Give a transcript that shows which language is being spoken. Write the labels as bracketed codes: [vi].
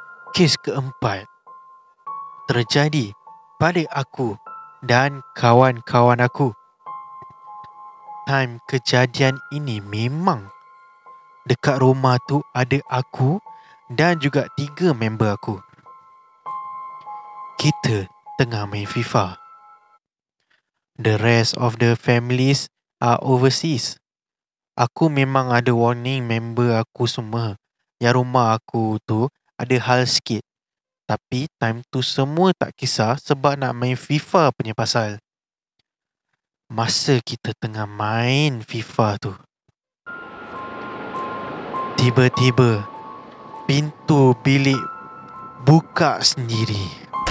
[ms] Kes keempat terjadi pada aku dan kawan-kawan aku. Time kejadian ini memang dekat rumah tu ada aku dan juga 3 member aku. Kita tengah main FIFA. [en] The rest of the families are overseas. [ms] Aku memang ada warning member aku semua yang rumah aku tu ada hal sikit. Tapi time tu semua tak kisah sebab nak main FIFA punya pasal. Masa kita tengah main FIFA tu, tiba-tiba pintu bilik buka sendiri.